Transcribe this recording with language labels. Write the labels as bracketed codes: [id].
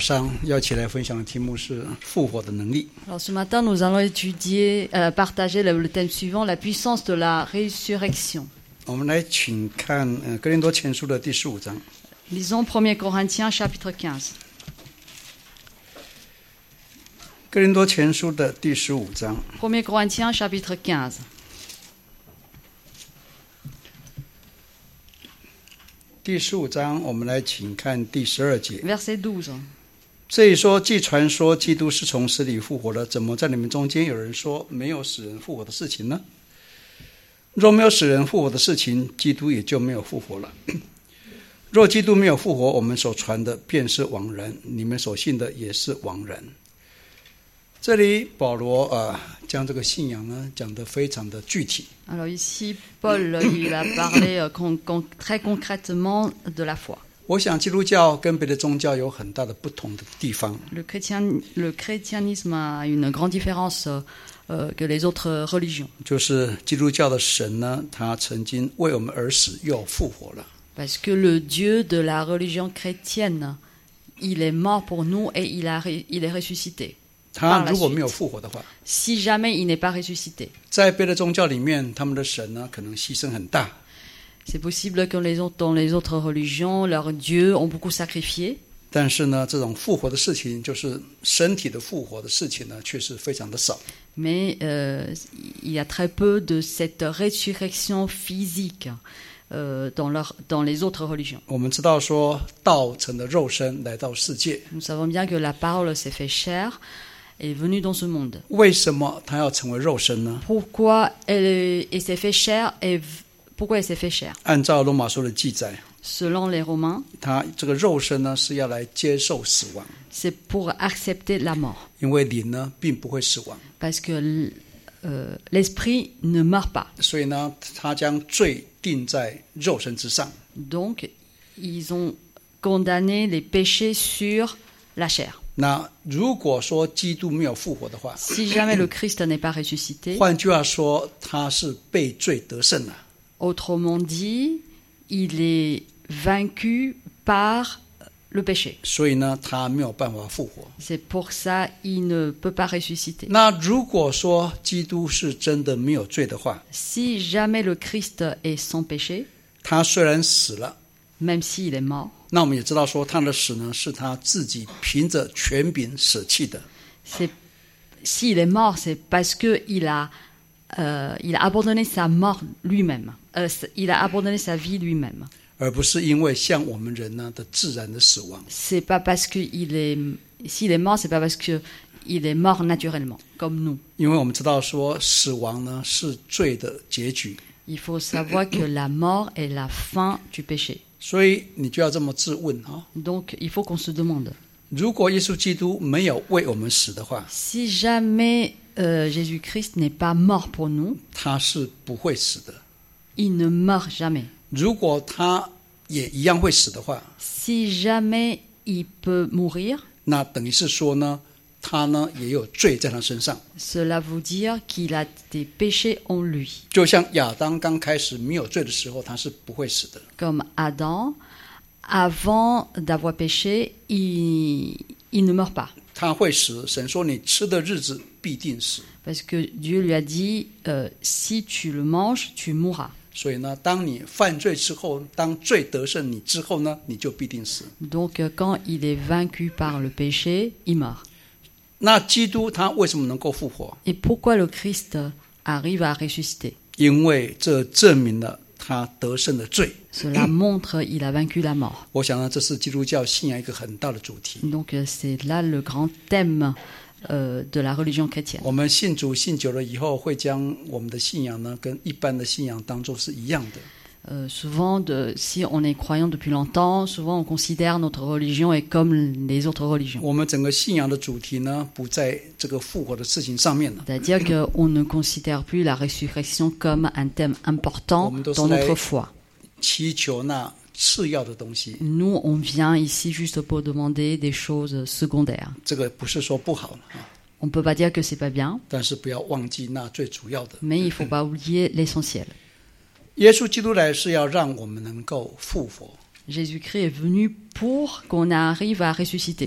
[zh] 上要起来分享的题目是复活的能力。 [fr] Alors, ce matin, nous allons étudier, partager le thème suivant, la puissance de la résurrection. [zh] 我们来请看，哥林多前书的第十五章。 [fr] Lisons 1 Corinthiens, chapitre [zh] 15. 哥林多前书的第十五章。 [fr] 1 Corinthiens, chapitre 15. [zh] 第十五章，我们来请看第十二节。 [fr] Verset 12. [zh] 这一说既传说基督是从死里复活的，怎么在你们中间有人说没有死人复活的事情呢？若没有死人复活的事情，基督也就没有复活了。若基督没有复活，我们所传的便是枉然，你们所信的也是枉然。这里保罗，将这个信仰呢讲得非常的具体。 [fr] Alors ici Paul il a parlé très concrètement de la foi。 [zh] 我想基督教跟别的宗教有很大的不同的地方。 [fr] Le chrétianisme a une grande différence que les autres religions. [zh] 就是基督教的神呢，他曾经为我们而死，又复活了。 [fr] Parce que le Dieu de la religion chrétienne, il est mort pour nous et il est ressuscité. [zh] 他如果没有复活的话 [fr] ，Si jamais il n'est pas ressuscité. [zh] 在别的宗教里面，他们的神呢，可能牺牲很大。 [fr] C'est possible que dans les autres religions, leurs dieux ont beaucoup sacrifié. [zh] 但是呢，这种复活的事情，就是身体的复活的事情呢，确实非常的少。 [fr] Mais il y a très peu de cette résurrection physique dans les autres religions. [zh] 我们知道说，道成的肉身来到世界。 [fr] Nous savons bien que la parole s'est fait chair. Est venu dans ce monde. [zh] 为什么他要成为肉身呢？ [fr] Pourquoi elle s'est fait chair et pourquoi elle s'est fait chair? [zh] 按照罗马书的记载， [fr] selon les Romains, [zh] 他这个肉身呢是要来接受死亡。 [fr] C'est pour accepter la mort. [zh] 因为灵呢并不会死亡。 [fr] Parce que l'esprit ne meurt pas. [zh] 所以呢，他将罪定在肉身之上。 [fr] Donc ils ont condamné les péchés sur la chair. [zh] 那如果说基督没有复活的话 [fr] ，Si jamais le Christ n'est pas ressuscité， [zh] 换句话说，他是被罪得胜了。 [fr] Autrement dit, il est vaincu par le péché。 [zh] 所以呢，他没有办法复活。 [fr] C'est pour ça il ne peut pas ressusciter。 [zh] 那如果说基督是真的没有罪的话 [fr] ，Si jamais le Christ est sans péché， [zh] 他虽然死了。 [fr] Même s'il est mort. [zh] 那我们也知道说他的死呢是他自己凭着权柄舍弃的。 [fr] S'il est mort, c'est parce qu'il a, il a abandonné sa mort lui-même. Il a abandonné sa vie lui-même. [zh] 而不是因为像我们人呢的自然的死亡。 [fr] C'est pas parce qu'il est, s'il est mort, c'est pas parce qu'il est mort naturellement, comme nous. [zh] 因为我们知道说死亡呢是罪的结局。 [fr] Il faut savoir que la mort est la fin du péché. [zh] 所以你就要这么自问啊。 [fr] Donc, il faut qu'on se demande. [zh] 如果耶稣基督没有为我们死的话 [fr] ，Si jamais Jésus-Christ n'est pas mort pour nous， [zh] 他是不会死的。 [fr] Il ne meurt jamais. [zh] 如果他也一样会死的话 [fr] ，Si jamais il peut mourir， [zh] 那等于是说呢，他呢也有罪在他身上。 [fr] Cela veut dire qu'il a des péchés en lui。 [zh] 就像亚当刚开始没有罪的时候，他是不会死的。 [fr] Comme Adam, avant d'avoir péché, il ne meurt pas. [zh] 他会死，神说你吃的日子必定死。 [fr] Parce que Dieu lui a dit, si tu le manges, tu mourras. [zh] 所以呢，当你犯罪之后，当罪得胜你之后呢，你就必定死。 [fr] Donc quand il est vaincu par le péché, il meurt. [zh] 那基督他为什么能够复活 [fr] ？Et pourquoi le Christ arrive à ressusciter？ [zh] 因为这证明了他得胜的罪。 [fr] Cela montre il a vaincu la mort。 [zh] 我想呢，这是基督教信仰一个很大的主题。 [fr] Donc c'est là le grand thème de la religion chrétienne。 [zh] 我们信主信久了以后，会将我们的信仰呢，跟一般的信仰当作是一样的。 [fr] Souvent, si on est croyant depuis longtemps, souvent on considère notre religion est comme les autres religions. [zh] 我们整个信仰的主题呢，不在这个复活的事情上面了。 [fr] C'est-à-dire qu'on ne considère plus la résurrection comme un thème important dans notre foi. [zh] 祈求那次要的东西。 [fr] Nous, on vient ici juste pour demander des choses secondaires. [zh] 这个不是说不好啊。 [fr] On ne peut pas dire que c'est pas bien. [zh] 但是不要忘记那最主要的。 [fr] Mais il ne faut pas oublier l'essentiel. [zh] 耶稣基督来是要让我们能够复活。 [fr] Jésus-Christ est venu pour qu'on arrive à ressusciter.